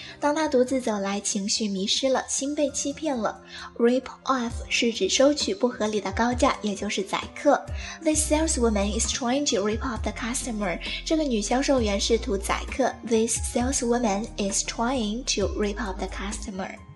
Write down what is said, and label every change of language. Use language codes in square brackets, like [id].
[zh] 当他独自走来，情绪迷失了，心被欺骗了。 Rip off 是指收取不合理的高价，也就是宰客。 [en] The saleswoman is trying to rip off the customer. [zh] 这个女销售员试图宰客。 [en] This saleswoman is trying to rip off the customer.